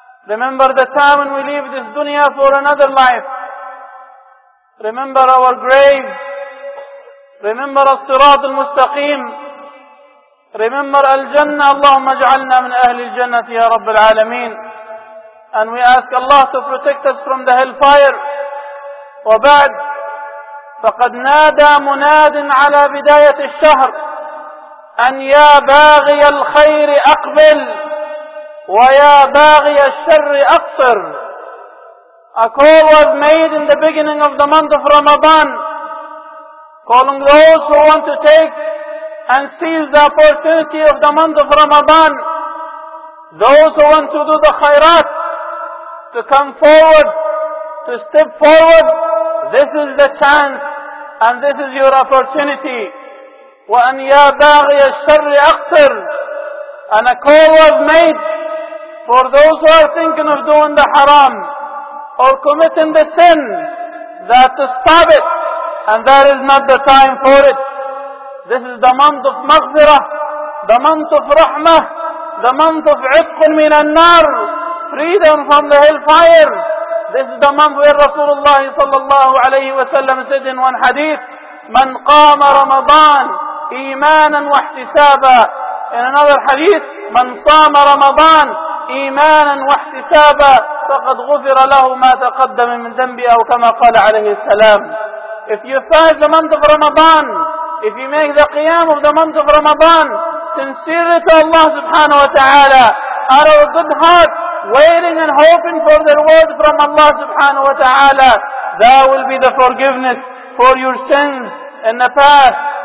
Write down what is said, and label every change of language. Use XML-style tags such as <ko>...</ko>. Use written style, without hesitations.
<en>Remember the time when we leave this dunya for another life. Remember our graves. Remember</en> <ar>الصراط المستقيم.</ar> <en>Remember al-Jannah,</en> <ar>Allahumma ja'alna min ahli al-Jannah, ya Rabbil Alameen.</ar> <en>And we ask Allah to protect us from the hellfire.</en> <ar>وبعد فقد نادى مناد على بداية الشهر أن يا باغي الخير أقبل ويا باغي الشر أقصر.</ar> <en>A call was made in the beginning of the month of Ramadan, calling those who want to take and seize the opportunity of the month of Ramadan, those who want to do the khairat, to come forward, to step forward. This is the chance and this is your opportunity.</en> <ar>وَأَنْ يَا بَاغِيَ الشَّرِّ أَقْتِرْ.</ar> <en>And a call was made for those who are thinking of doing the haram or committing the sin, that to stop it, and that is not the time for it. This is the month of maghfirah, the month of rahmah, the month of</en> <ar>عِفْقٌ مِنَ النَّارِ,</ar> <en>freedom from the hellfire. This is the month where Rasulullah sallallahu alayhi wa sallam said in one hadith,</en> <ar>مَنْ قَامَ رَمَضَانِ إِيمَانًا وَاحْتِسَابًا.</ar> <en>In another hadith,</en> <ar>مَنْ صَامَ رَمَضَانِ إِيمَانًا وَاحْتِسَابًا فَقَدْ غُفِرَ لَهُ مَا تَقَدَّمِ مِنْ ذَنْبِ أَوْ كَمَا قَالَ عَلَيْهِ السَّلَامِ.</ar> <en>If you fast the month of Ramadan, if you make the qiyam of the month of Ramadan sincerely to Allah subhanahu wa ta'ala, out of a good heart, waiting and hoping for the reward from Allah subhanahu wa ta'ala, that will be the forgiveness for your sins in the past.</en>